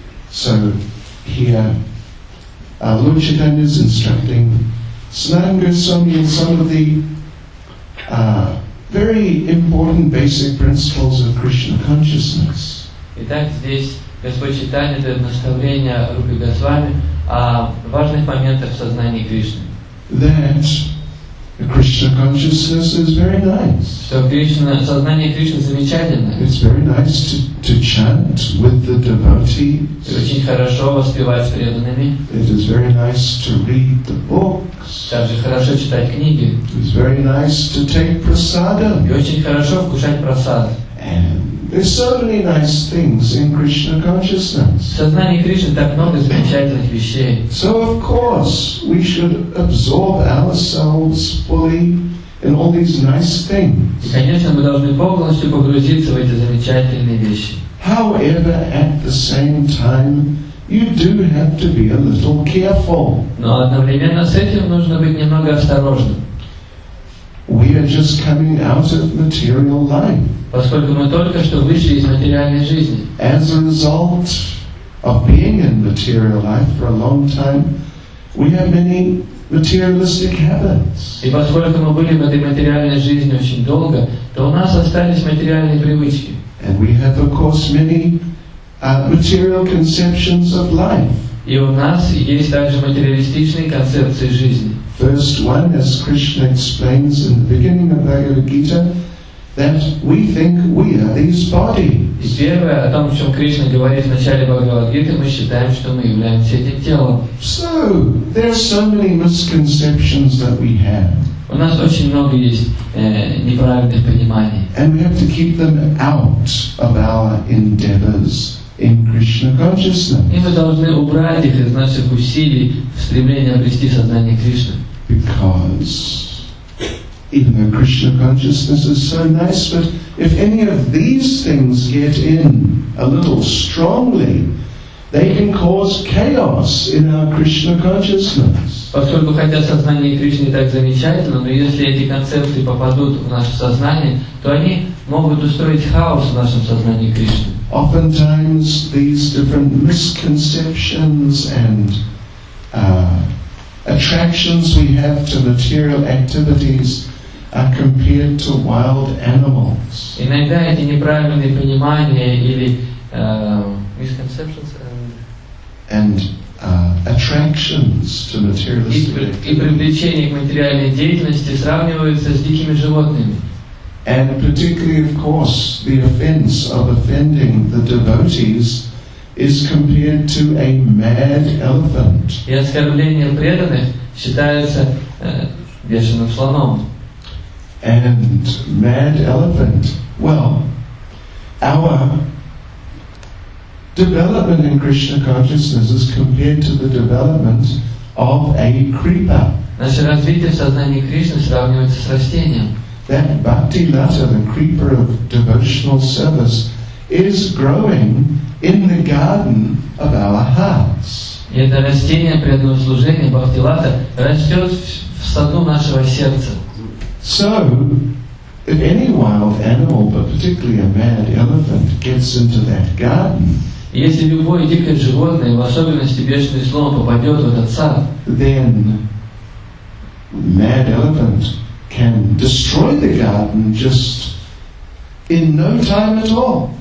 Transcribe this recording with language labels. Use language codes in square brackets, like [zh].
[en] So here, Lord Chaitanya is instructing Sanatana Goswami and some of the very important basic principles of Krishna consciousness. [ru] Итак, здесь Господь Чайтанья дает наставление Рупе Госвами о важных моментах в сознании Кришны. [en] That Krishna consciousness is very nice. [ru] Что Кришна, сознание Кришны замечательное. [en] It's very nice to chant with the devotees. [ru] Очень хорошо воспевать с преданными. [en] It is very nice to read the books. [ru] Также хорошо читать книги. [en] It's very nice to take prasadam. [ru] И очень хорошо вкушать прасад. [en] And there's so many nice things in Krishna consciousness. [ru] В сознании Кришны так много замечательных вещей. [en] So of course we should absorb ourselves fully in all these nice things. [ru] И, конечно, мы должны полностью погрузиться в эти замечательные вещи. [en] However, at the same time, you do have to be a little careful. [ru] Но одновременно с этим нужно быть немного осторожным. [en] We are just coming out of material life. [ru] Поскольку мы только что вышли из материальной жизни. [en] As a result of being in material life for a long time, we have many materialistic habits. [ru] И поскольку мы были в этой материальной жизни очень долго, то у нас остались материальные привычки. [en] And we have, of course, many material conceptions of life. [ru] И у нас есть также материалистичные концепции жизни. [en] First one, as Krishna explains in the beginning of Bhagavad Gita, that we think we are these bodies. [ru] И первое, о том, о чем Кришна говорит в начале Бхагавад Гиты, мы считаем, что мы являемся этим телом. [en] So, there are so many misconceptions that we have. [ru] У нас очень много есть неправильных пониманий. [en] And we have to keep them out of our endeavors in Krishna consciousness. [ru] И мы должны убрать их из наших усилий в стремлении обрести сознание Кришны. [en] Because even though Krishna consciousness is so nice, but if any of these things get in a little strongly, they can cause chaos in our Krishna consciousness. [ru] Поскольку хотя сознание Кришны так замечательно, но если эти концепции попадут в наше сознание, то они могут устроить хаос в нашем сознании Кришны. [en] Oftentimes these different misconceptions and attractions we have to material activities are compared to wild animals. [ru] Иногда эти неправильные понимания или misconceptions [en] and attractions to materialistic [ru] и привлечение к материальной деятельности сравниваются с дикими животными. [en] And particularly, of course, the offense of offending the devotees is compared to a mad elephant. [ru] И оскорбление преданных считается бешеным слоном. [en] And mad elephant. Well, our development in Krishna consciousness is compared to the development of a creeper. [ru] Наше развитие в сознании Кришны сравнивается с растением. [en] That bhakti lata, the creeper of devotional service, is growing in the garden of our hearts. [ru] И это растение преданного служения бхакти лата растет в саду нашего сердца. [en] So, if any wild animal, but particularly a mad elephant, gets into that garden, [ru] если любое дикое животное, в особенности бешеный слон, попадет в этот сад, [en] then mad elephant can destroy the garden just in no time at all.